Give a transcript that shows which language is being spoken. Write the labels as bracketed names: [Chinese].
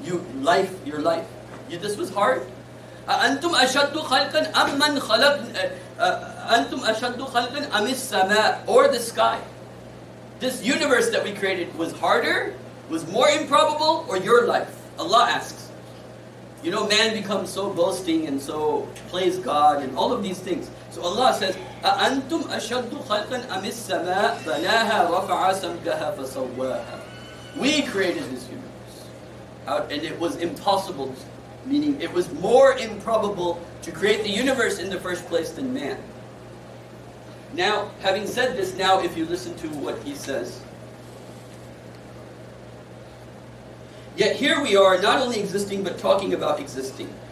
[English] Your life. This was hard. [Arabic] أَأَنْتُمْ أَشَدُّ خَلْقًا أَمْ مَنْ خَلَقْنَ أَنْتُمْ أَشَدُّ خَلْقًا أَمِ السَّمَاءِ. [English] Or the sky. This universe that we created was harder, was more improbable, or your life? Allah asks. You know, man becomes so boasting and so plays God and all of these things. So Allah says, [Arabic] أَأَنْتُمْ أَشَدُّ خَلْقًا أَمِ السَّمَاءِ بَنَاهَا رَفَعَ سَمْكَهَا فَصَوَّاهَا. [English] We created this universe. And it was impossible, meaning it was more improbable to create the universe in the first place than man. Now, having said this, now if you listen to what he says, yet here we are, not only existing, but talking about existing.